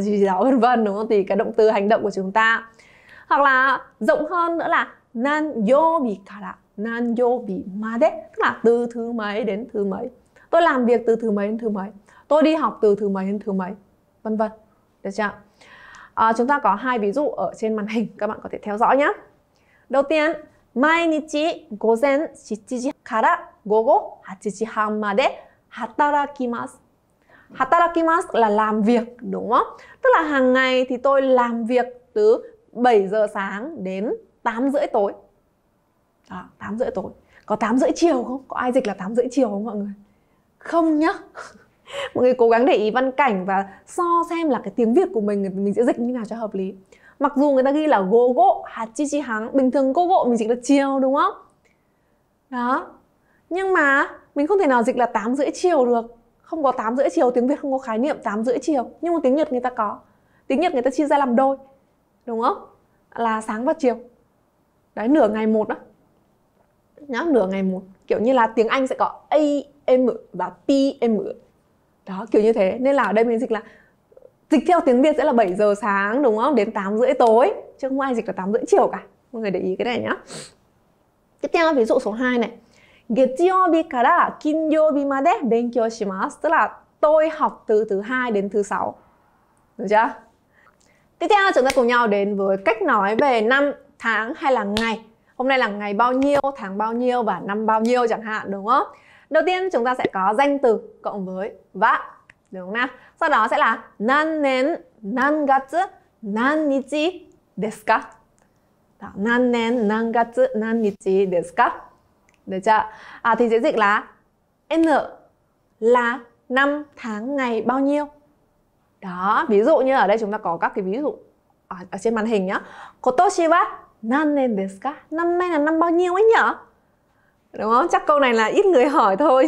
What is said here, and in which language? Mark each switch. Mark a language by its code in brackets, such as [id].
[vi] Gì đó, vân vân đúng không? Thì cái động từ hành động của chúng ta. Hoặc là rộng hơn nữa là [ja] 何曜日から何曜日まで? [vi] Tức là từ thứ mấy đến thứ mấy. Tôi làm việc từ thứ mấy đến thứ mấy. Tôi đi học từ thứ mấy đến thứ mấy. Vân vân. Được chưa? Chúng ta có hai ví dụ ở trên màn hình. Các bạn có thể theo dõi nhé. Đầu tiên, [ja] 毎日午前7時から午後8時半まで働きます. [vi] 働きます là làm việc, đúng không? Tức là hàng ngày thì tôi làm việc từ 7 giờ sáng đến 8 rưỡi tối. Đó, 8 rưỡi tối. Có 8 rưỡi chiều không? Có ai dịch là 8 rưỡi chiều không mọi người? Không nhá. Mọi người cố gắng để ý văn cảnh và so xem là cái tiếng Việt của mình sẽ dịch như nào cho hợp lý. Mặc dù người ta ghi là go go hạt chi chi hắng, bình thường go go mình dịch là chiều đúng không? Đó. Nhưng mà mình không thể nào dịch là 8 rưỡi chiều được. Không có 8 rưỡi chiều, tiếng Việt không có khái niệm 8 rưỡi chiều. Nhưng mà tiếng Nhật người ta có. Tiếng Nhật người ta chia ra làm đôi. Đúng không? Là sáng và chiều. Đấy, nửa ngày một đó. Nhá, nửa ngày một. Kiểu như là tiếng Anh sẽ có AM và PM. Đó, kiểu như thế. Nên là ở đây mình dịch là, dịch theo tiếng Việt sẽ là 7 giờ sáng, đúng không? Đến 8 rưỡi tối. Chứ không ai dịch là 8 rưỡi chiều cả. Mọi người để ý cái này nhá. Tiếp theo ví dụ số 2 này. [ja] 月曜日から金曜日まで勉強します. [vi] Tức là tôi học từ thứ 2 đến thứ 6. Được chưa? Tiếp theo chúng ta cùng nhau đến với cách nói về năm, tháng hay là ngày. Hôm nay là ngày bao nhiêu, tháng bao nhiêu và năm bao nhiêu chẳng hạn, đúng không? Đầu tiên chúng ta sẽ có danh từ cộng với và, đúng không nào? Sau đó sẽ là [ja] 何年何月何日ですか? 何年何月何日ですか? [vi] Được chưa? Thì sẽ dịch là N là năm, tháng, ngày bao nhiêu. Đó, ví dụ như ở đây chúng ta có các cái ví dụ ở trên màn hình nhá. [ja] 今年は 何年ですか? [vi] Năm nay là năm bao nhiêu ấy nhở? Đúng không? Chắc câu này là ít người hỏi thôi.